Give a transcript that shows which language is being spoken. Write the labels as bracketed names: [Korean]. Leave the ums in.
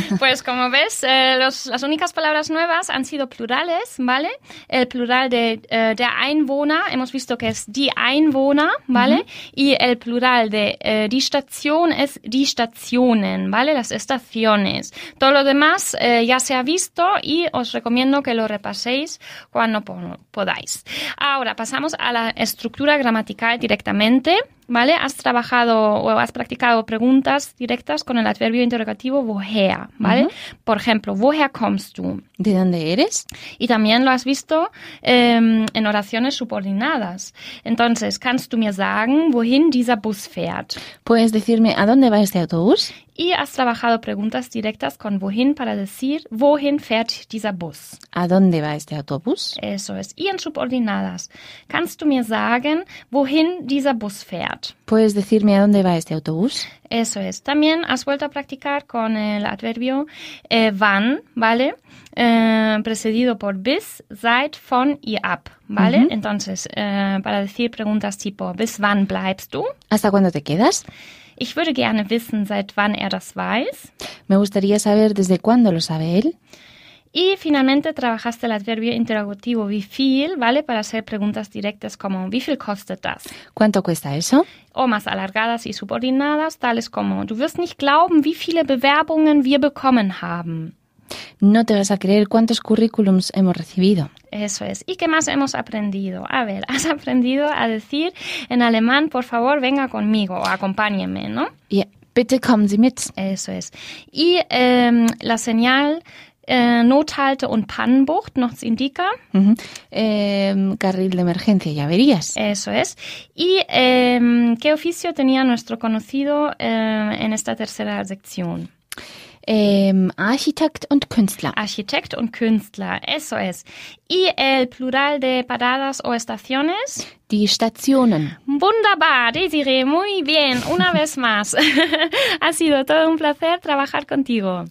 [Spanish] Pues como ves, eh, los, las únicas palabras nuevas han sido plurales, ¿vale? El plural de eh, der Einwohner, hemos visto que es die Einwohner, ¿vale? Uh -huh. Y el plural de eh, die Station es die Stationen, ¿vale? Las estaciones. Todo lo demás ya se ha visto y os recomiendo que lo repaséis cuando podáis. Ahora pasamos a la estructura gramatical directamente. ¿vale? Has trabajado o has practicado preguntas directas con el adverbio interrogativo woher, ¿vale? Uh -huh. Por ejemplo, [German] woher kommst du? [Spanish] ¿De dónde eres? Y también lo has visto eh, en oraciones subordinadas. [German] Entonces, kannst du mir sagen, wohin dieser Bus fährt? [Spanish] ¿Puedes decirme a dónde va este autobús? Y has trabajado preguntas directas con Wohin para decir, [German] ¿Wohin fährt dieser Bus? [Spanish] ¿A dónde va este autobús? Eso es. Y en subordinadas, [German] ¿kannst du mir sagen, Wohin dieser Bus fährt? [Spanish] ¿Puedes decirme a dónde va este autobús? Eso es. También has vuelto a practicar con el adverbio van, eh, ¿vale? Eh, precedido por bis, seit, von y ab, ¿vale? Uh -huh. Entonces, eh, para decir preguntas tipo, [German] ¿bis wann bleibst du? [Spanish] ¿Hasta cuándo te quedas? [German] Ich würde gerne wissen, seit wann er das weiß. [Spanish] Me gustaría saber desde cuándo lo sabe él. Y finalmente trabajaste el adverbio interrogativo wie viel, ¿vale? Para hacer preguntas directas como [German] wie viel kostet das? [Spanish] ¿Cuánto cuesta eso? O más alargadas y subordinadas, tales como [German] du wirst nicht glauben, wie viele Bewerbungen wir bekommen haben. [Spanish] No te vas a creer cuántos currículums hemos recibido. Eso es. ¿Y qué más hemos aprendido? A ver, has aprendido a decir en alemán, por favor, venga conmigo o acompáñeme, ¿no? Yeah. [German] Bitte kommen Sie mit. [Spanish] Eso es. Y eh, la señal eh, Nothalte und Pannenbucht nos indica. Uh -huh. eh, carril de emergencia y verías. Eso es. ¿Y qué oficio tenía nuestro conocido en esta tercera sección? [German] Um, arquitect and und Künstler. arquitect und Künstler, [Spanish] eso es. Y el plural de paradas o estaciones? [German] Die Stationen. [Spanish] Wunderbar, muy bien, una vez más. ha sido todo un placer trabajar contigo.